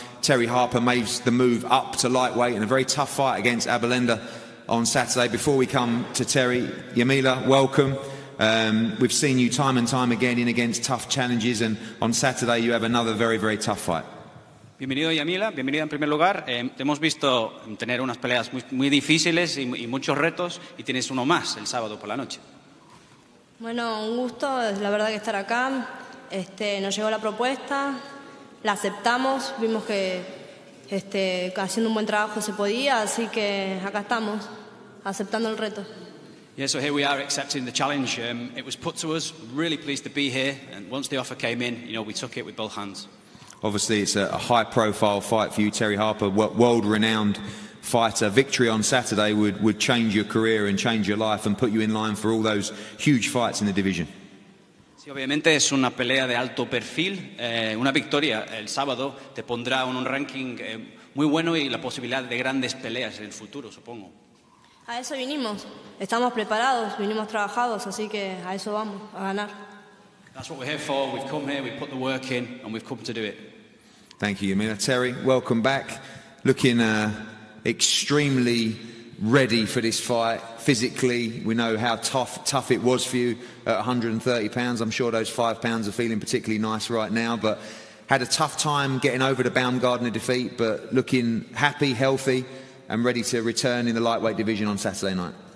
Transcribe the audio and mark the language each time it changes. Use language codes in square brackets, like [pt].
[en] Terri Harper makes the move up to lightweight in a very tough fight against Abellaneda on Saturday. Before we come to Terri, Yamila, welcome. We've seen you time and time again in against tough challenges, and on Saturday you have another very, very tough fight. [es] Bienvenido, Yamila. Bienvenida en primer lugar. Te hemos visto tener unas peleas muy, muy difíciles y muchos retos, y tienes uno más el sábado por la noche. Bueno, un gusto, la verdad, que estar acá. Nos llegó la propuesta, la aceptamos, vimos que haciendo un buen trabajo se podía, así que acá estamos, aceptando el reto. [en] Yeah, so here we are accepting the challenge. It was put to us, really pleased to be here, and once the offer came in, you know, we took it with both hands. Obviously, it's a high-profile fight for you, Terri Harper, world-renowned fighter. Victory on Saturday would change your career and change your life and put you in line for all those huge fights in the division. [es] Sí, obviamente es una pelea de alto perfil. Una victoria el sábado te pondrá en un ranking muy bueno y la posibilidad de grandes peleas en el futuro, supongo. A eso vinimos. Estamos preparados, vinimos trabajados, así que a eso vamos, a ganar. [en] That's what we're here for. We've come here, we've put the work in, and we've come to do it. Thank you, Yamila. Terri, welcome back. Looking extremely ready for this fight physically. We know how tough it was for you at 130 pounds. I'm sure those 5 pounds are feeling particularly nice right now, but had a tough time getting over the Baumgartner defeat, but looking happy, healthy, and ready to return in the lightweight division on Saturday night.